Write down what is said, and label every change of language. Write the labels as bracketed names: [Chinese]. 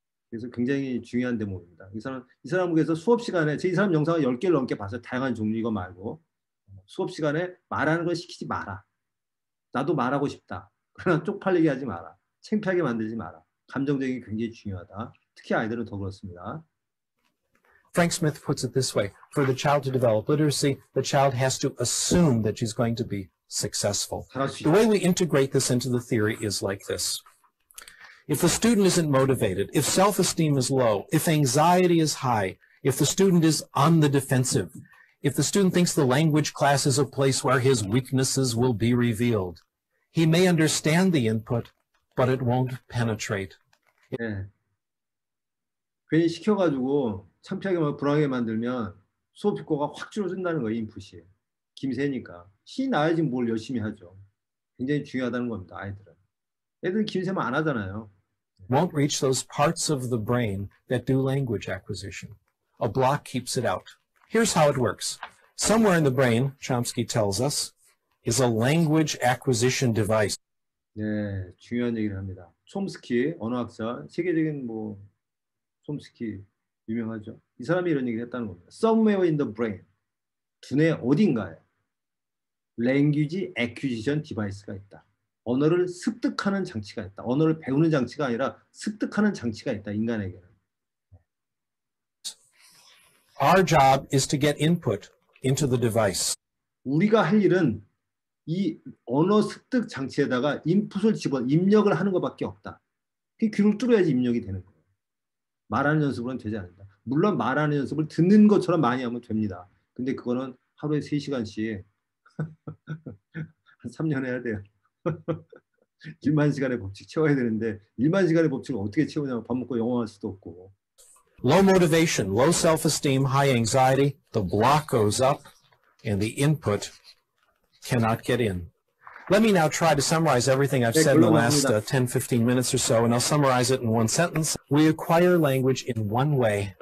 [Korean] 그래서 굉장히 중요한 대목입니다. 이 사람 그래서 수업 시간에 제 이 사람 영상을 10개를 넘게 봤어요. 다양한 종류 이거 말고. 수업 시간에 말하는 걸 시키지 마라. 나도 말하고 싶다. 그러나 쪽팔리게 하지 마라. 창피하게 만들지 마라. 감정적인 게 굉장히 중요하다. 특히 아이들은 더 그렇습니다. [English] Frank Smith puts it this way. For the child to develop literacy, the child has to assume that she's going to be successful. The way we integrate this into the theory is like this. If the student isn't motivated, if self-esteem is low, if anxiety is high, if the student is on the defensive, if the student thinks the language class is a place where his weaknesses will be revealed, he may understand the input, but it won't penetrate. [Korean] 네. 괜히 시켜가지고 창피하게 불안하게 만들면 수업 효과가 확 줄어든다는 거예요. 인풋이. 김새니까. 신이 나야지 뭘 열심히 하죠. 굉장히 중요하다는 겁니다. 아이들은. 애들은 김새만 안 하잖아요. [English] Won't reach those parts of the brain that do language acquisition. A block keeps it out. Here's how it works. Somewhere in the brain, Chomsky tells us, is a language acquisition device. [Korean] 네, 중요한 얘기를 합니다. 촘스키, 언어학자, 세계적인 뭐 촘스키 유명하죠. 이 사람이 이런 얘기를 했다는 겁니다. [English] Somewhere in the brain, [Korean] 두뇌 어딘가에 language acquisition device가 있다. 언어를 습득하는 장치가 있다. 언어를 배우는 장치가 아니라 습득하는 장치가 있다. 인간에게는. [English] Our job is to get input into the device. [Korean] 우리가 할 일은 이 언어 습득 장치에다가 인풋을 집어 입력을 하는 것밖에 없다. 귀를 뚫어야지 입력이 되는 거예요. 말하는 연습은 되지 않는다. 물론 말하는 연습을 듣는 것처럼 많이 하면 됩니다. 근데 그거는 하루에 3시간씩 한 3년 해야 돼요. 1만 시간의 법칙 채워야 되는데 1만 시간의 법칙을 어떻게 채우냐면 밥 먹고 영화 할 수도 없고. [English] Low motivation, low self-esteem, high anxiety, the block goes up. And the input cannot get in. Let me now try to summarize everything I've said in the last 10-15 minutes or so, and I'll summarize it in one sentence. We acquire language in one way,